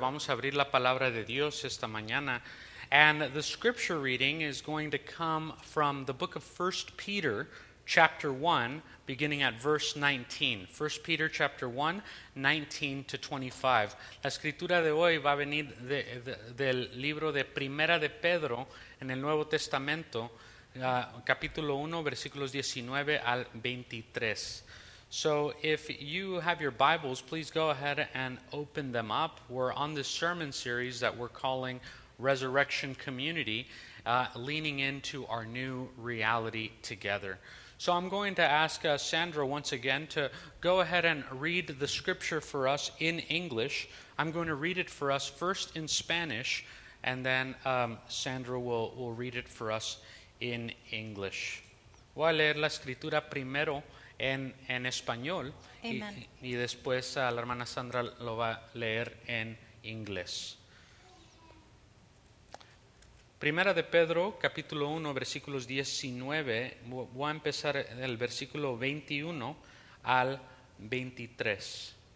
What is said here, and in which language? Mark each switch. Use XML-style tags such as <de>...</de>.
<es>Vamos a abrir la palabra de Dios esta mañana.</es> <en>And the scripture reading is going to come from the book of 1 Peter, chapter 1, beginning at verse 19. 1 Peter, chapter 1, 19 to 25.</en> <es>La escritura de hoy va a venir del libro de Primera de Pedro en el Nuevo Testamento, capítulo 1, versículos 19 al 23.</es> <en>So if you have your Bibles, please go ahead and open them up. We're on this sermon series that we're calling Resurrection Community, leaning into our new reality together. So I'm going to ask Sandra once again to go ahead and read the scripture for us in English. I'm going to read it for us first in Spanish, and then Sandra will read it for us in English.</en> <es>Voy a leer la escritura primero en español.</es> <en>Amen.</en> <es>Y después la hermana Sandra lo va a leer en inglés. Primera de Pedro, capítulo 1, versículos 19. Voy a empezar el versículo 21 al 23.</es>